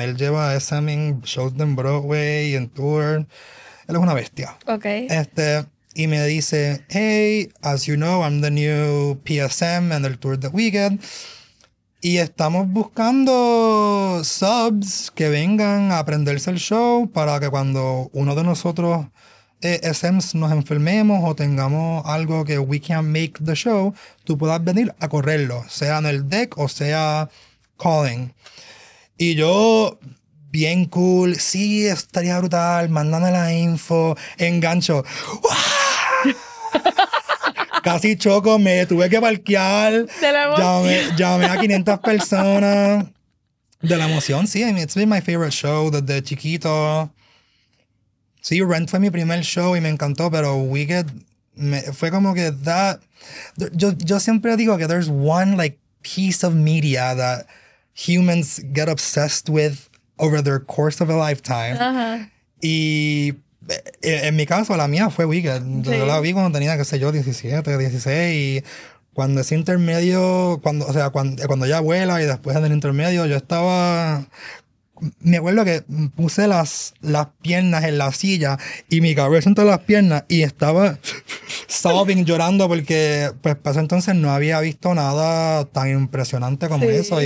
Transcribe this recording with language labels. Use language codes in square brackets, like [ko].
[es] Él lleva SM en shows de Broadway y en tour. Él es una bestia. Okay. Y me dice, [en] hey, as you know, I'm the new PSM and the tour de Wicked. [es] Y estamos buscando subs que vengan a aprenderse el show para que cuando uno de nosotros, SMs, nos enfermemos o tengamos algo que [en] we can't make the show, [es] tú puedas venir a correrlo, sea en el deck o sea calling. Y yo, bien cool, sí, estaría brutal, mándame la info, engancho. Casi choco, me tuve que parquear, De la emoción. llamé a 500 personas de la emoción. Sí, [en] it's been my favorite show [es] desde chiquito. Sí, Rent fue mi primer show y me encantó, pero Wicked fue como que that. Yo siempre digo que [en] there's one like piece of media that humans get obsessed with over their course of a lifetime. [es] Y en mi caso, la mía fue Wicked. Yo la Sí. vi cuando tenía, qué sé yo, 17, 16. Cuando ese intermedio, cuando, o sea, cuando ya vuela y después en el intermedio, yo estaba. Me acuerdo que puse las piernas en la silla y mi cabeza entre las piernas y estaba sobbing, llorando, porque pues para ese entonces no había visto nada tan impresionante como eso y